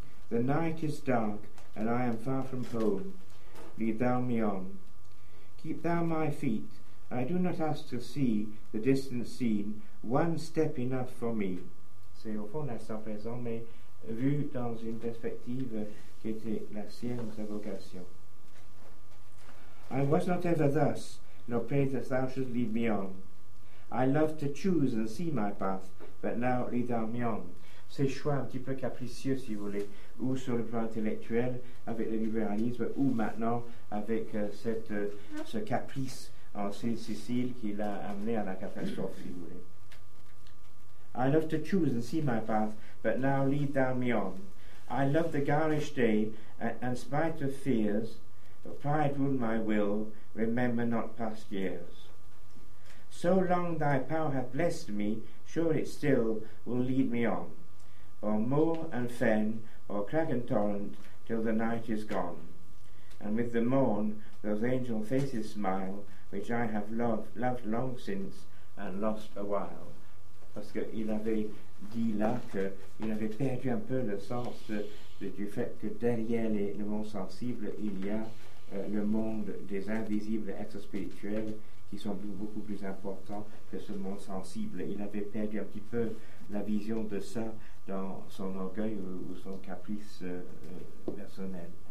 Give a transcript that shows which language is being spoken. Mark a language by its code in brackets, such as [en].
[en] The night is dark and I am far from home. Lead thou me on. Keep thou my feet. I do not ask to see the distant scene. One step enough for me. [fr] C'est au fond l'instant présent, mais vu dans une perspective qui était la sienne, sa vocation. [en] I was not ever thus, nor pray that thou shouldst lead me on. I love to choose and see my path, but now lead thou me on. [fr] Ces choix un petit peu capricieux, si vous voulez, ou sur le plan intellectuel, avec le libéralisme, ou maintenant avec ce caprice en Sicile qui l'a amené à la catastrophe, si vous voulez. [en] I love to choose and see my path, but now lead thou me on. I love the garish day, and spite of fears, pride rule my will, remember not past years. So long thy power hath blessed me, sure it still will lead me on, o'er moor and fen, o'er crag and torrent, till the night is gone. And with the morn those angel faces smile, which I have loved long since, and lost a while. [fr] Parce qu'il avait dit là qu'il avait perdu un peu le sens du fait que derrière le monde sensible, il y a le monde des invisibles êtres spirituels qui sont beaucoup plus importants que ce monde sensible. Il avait perdu un petit peu la vision de ça dans son orgueil ou son caprice personnel.